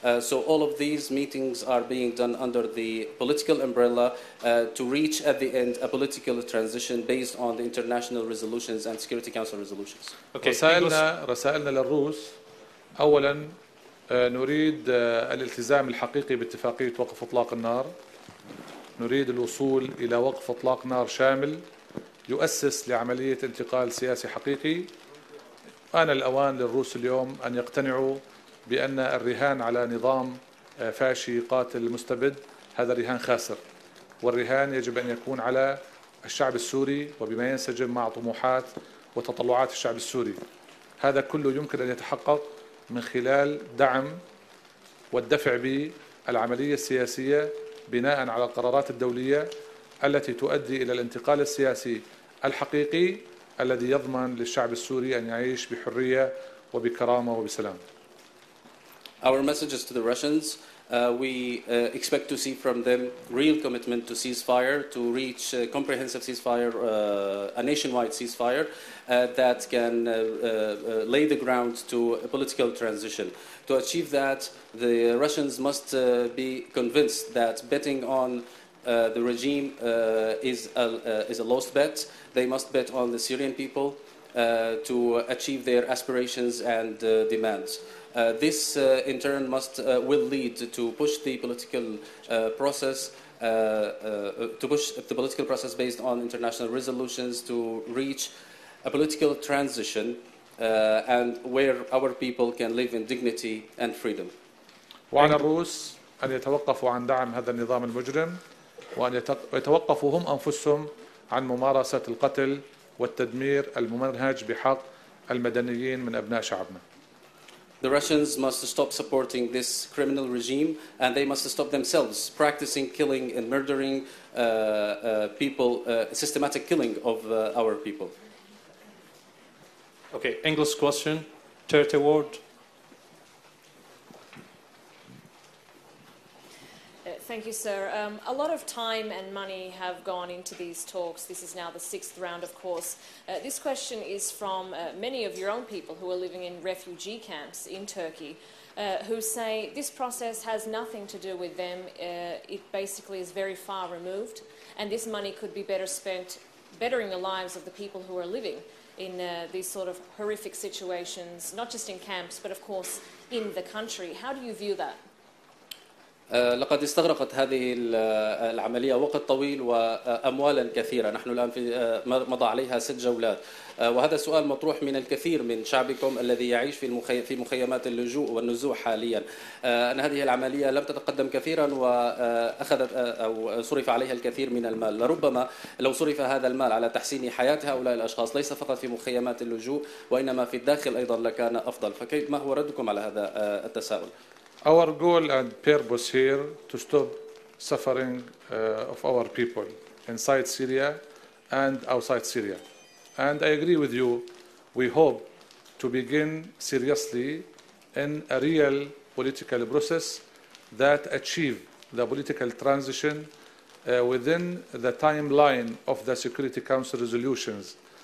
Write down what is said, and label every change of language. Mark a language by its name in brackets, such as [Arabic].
[English] So all of these meetings are being done under the political umbrella to reach at the end a political transition based on the international resolutions and Security Council resolutions. Okay. [Arabic] رسائلنا للروس، أولا نريد الالتزام الحقيقي باتفاقية وقف اطلاق النار، نريد الوصول إلى وقف اطلاق نار شامل يؤسس لعملية انتقال سياسي حقيقي. أنا الأوان للروس اليوم أن يقتنعوا بأن الرهان على نظام فاشي قاتل مستبد هذا رهان خاسر، والرهان يجب أن يكون على الشعب السوري وبما ينسجم مع طموحات وتطلعات الشعب السوري. هذا كله يمكن أن يتحقق من خلال دعم والدفع بالعملية السياسية بناء على القرارات الدولية التي تؤدي إلى الانتقال السياسي الحقيقي الذي يضمن للشعب السوري أن يعيش بحرية وبكرامة وبسلام. [English] Our message is to the Russians. We expect to see from them real commitment to ceasefire, to reach a comprehensive ceasefire, a nationwide ceasefire that can lay the ground to a political transition. To achieve that, the Russians must be convinced that betting on the regime is a lost bet. They must bet on the Syrian people to achieve their aspirations and demands. This in turn will lead to push the political process to push the political process based on international resolutions to reach a political transition and where our people can live in dignity and freedom. [Arabic] وعلى الروس أن يتوقفوا عن دعم هذا النظام المجرم، وأن يتوقفوا هم أنفسهم عن ممارسة القتل والتدمير الممنهج بحق المدنيين من أبناء شعبنا. [English] The Russians must stop supporting this criminal regime, and they must stop themselves practicing killing and murdering people, systematic killing of our people. Okay, English question, Turtle Ward. Thank you, sir. A lot of time and money have gone into these talks. This is now the sixth round, of course. This question is from many of your own people who are living in refugee camps in Turkey, who say this process has nothing to do with them. It basically is very far removed, and this money could be better spent bettering the lives of the people who are living in these sort of horrific situations, not just in camps, but of course in the country. How do you view that? [Arabic] لقد استغرقت هذه العملية وقت طويل وأموالا كثيرة. نحن الآن في مضى عليها 6 جولات، وهذا سؤال مطروح من الكثير من شعبكم الذي يعيش في مخيمات اللجوء والنزوع حاليا. أن هذه العملية لم تتقدم كثيرا وأخذت أو صرف عليها الكثير من المال. لربما لو صرف هذا المال على تحسين حياة هؤلاء الأشخاص ليس فقط في مخيمات اللجوء وإنما في الداخل أيضا لكان أفضل. فكيف ما هو ردكم على هذا التساؤل؟ [English] Our goal and purpose here to stop suffering of our people inside Syria and outside Syria. And I agree with you, we hope to begin seriously in a real political process that achieve the political transition within the timeline of the Security Council resolutions.